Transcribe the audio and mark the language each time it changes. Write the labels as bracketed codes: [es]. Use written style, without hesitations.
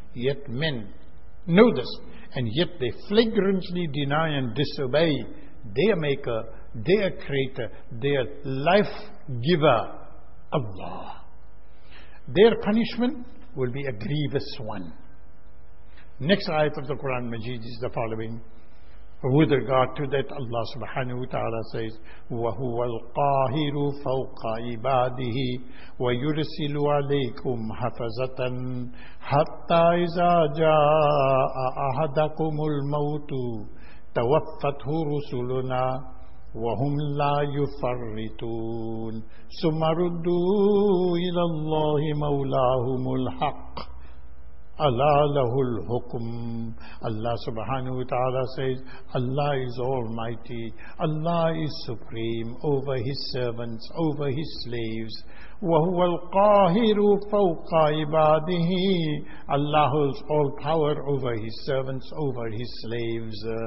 [en] Yet men know this, and yet they flagrantly deny and disobey their maker, their creator, their life giver, Allah. Their punishment will be a grievous one. Next ayat of the Quran Majid is the following. With regard to that, Allah subhanahu wa ta'ala says, [ar] وَهُوَ الْقَاهِرُ فَوْقَ عِبَادِهِ وَيُرْسِلُ عَلَيْكُمْ حَفَزَةً حَتَّى إِذَا جَاءَ أَحَدَكُمُ الْمَوْتُ تَوَفَّتْهُ رُسُلُنَا وَهُمْ لَا يُفَرِّتُونَ ثُمَّ رُدُّوا إِلَى اللَّهِ مَوْلَاهُمُ الْحَقِّ أَلَا لَهُ الْحُكُمُ. [en] Allah subhanahu wa ta'ala says, Allah is almighty, Allah is supreme over his servants, over his slaves. [ar] وَهُوَ الْقَاهِرُ فَوْقَ عِبَادِهِ. [en] Allah holds all power over his servants, over his slaves.